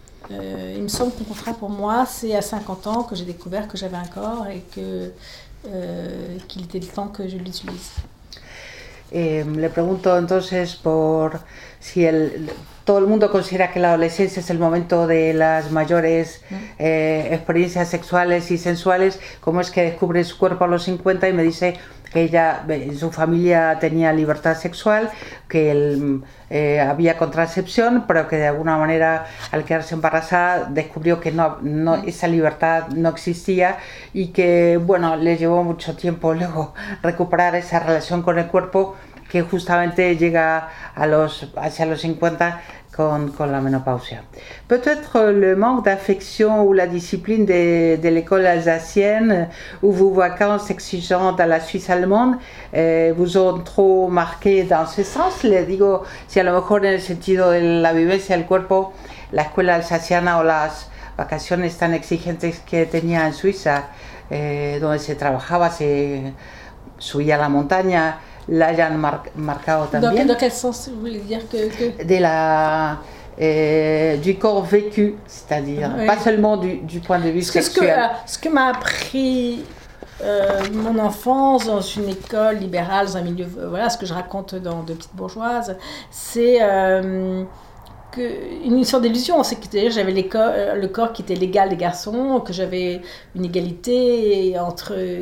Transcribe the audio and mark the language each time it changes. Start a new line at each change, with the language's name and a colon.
French: Il me semble qu'au contraire, pour moi, c'est à 50 ans que j'ai découvert que j'avais un corps et que qu'il était le temps que je l'utilise.
Spanish: Le pregunto entonces por si el todo el mundo considera que la adolescencia es el momento de las mayores experiencias sexuales y sensuales, ¿cómo es que descubre su cuerpo a los 50? Y me dice que ella en su familia tenía libertad sexual, que él había contracepción, pero que de alguna manera al quedarse embarazada descubrió que no esa libertad no existía y que bueno, le llevó mucho tiempo luego recuperar esa relación con el cuerpo que justamente llega hacia los 50 con la menopausia.
French: Peut-être le manque d'affection ou la discipline de l'école alsacienne ou vos vacances exigeantes à la Suisse allemande vous ont trop marqué dans ce sens.
Spanish: Le digo, si a lo mejor en el sentido de la vivencia del cuerpo, la escuela alsaciana o las vacaciones tan exigentes que tenía en Suiza, donde se trabajaba, se subía a la montaña, l'hayan marcado también.
French: Dans quel sens vous voulez dire que... Du corps vécu, c'est-à-dire, oui. Pas seulement du point de vue sexuel. Ce que m'a appris mon enfance dans une école libérale, dans un milieu, voilà ce que je raconte dans De Petites Bourgeoises, c'est une sorte d'illusion, c'est que d'ailleurs, j'avais le corps qui était l'égal des garçons, que j'avais une égalité entre...